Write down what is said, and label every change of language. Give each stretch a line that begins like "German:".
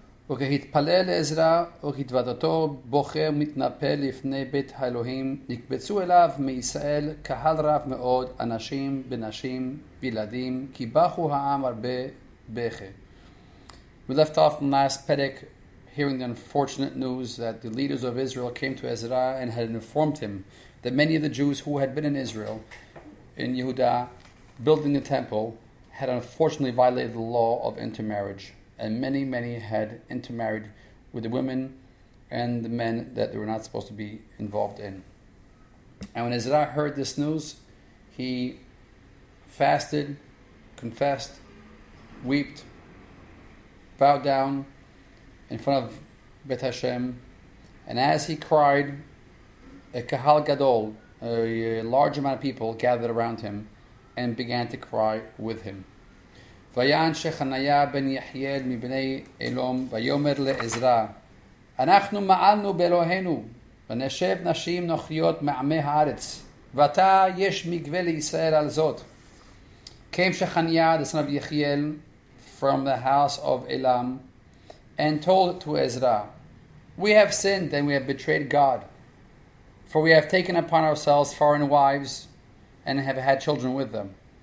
Hebrew: וכהתפלל לעזרא, וכתבדתו בוכה ומתנפל לפני בית האלוהים, נקבצו אליו מישראל קהל רב מאוד, אנשים, בנשים, בילדים, כי בכו העם הרבה בכה.
English: We left off from last Perek, hearing the unfortunate news that the leaders of Israel came to Ezra and had informed him that many of the Jews who had been in Israel, in Yehuda, building the temple, had unfortunately violated the law of intermarriage, and many, many had intermarried with the women and the men that they were not supposed to be involved in. And when Ezra heard this news, he fasted, confessed, wept, bowed down in front of Beit Hashem, and as he cried, a kahal gadol, a large amount of people gathered around him and began to cry with him.
Hebrew: ויען שחניה בן יחיאל מבני אלום ויאמר לעזרא אנחנו מעלנו באלוהינו ונשב נשים נוכריות מעמי הארץ ועתה יש מגווה לישראל על זאת.
English: Came Shechaniah, the son of Yechiel, from the house of Elam, and told to Ezra, we have sinned and we have betrayed God, for we have taken upon ourselves foreign wives and have had children with them.